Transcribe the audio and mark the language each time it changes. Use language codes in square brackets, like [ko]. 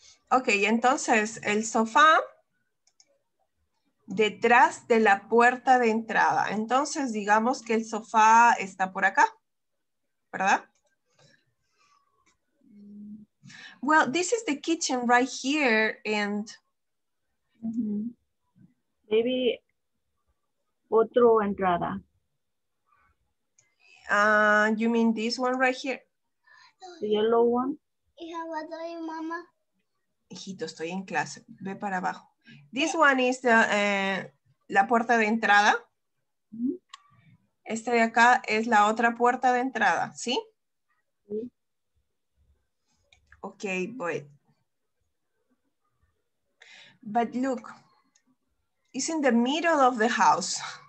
[es] Ok, entonces el sofá detrás de la puerta de entrada. Entonces digamos que el sofá está por acá, ¿verdad? [en] Well, this is the kitchen right here, and maybe [es] otro entrada. [en] You mean this one right here? The yellow one. Hija, what are you, mama? [es] Hijito, estoy en clase. Ve para abajo. [en] This one is the [es] la puerta de entrada. Este de acá es la otra puerta de entrada, ¿sí? Sí. [en] Okay, but look, it's in the middle of the house.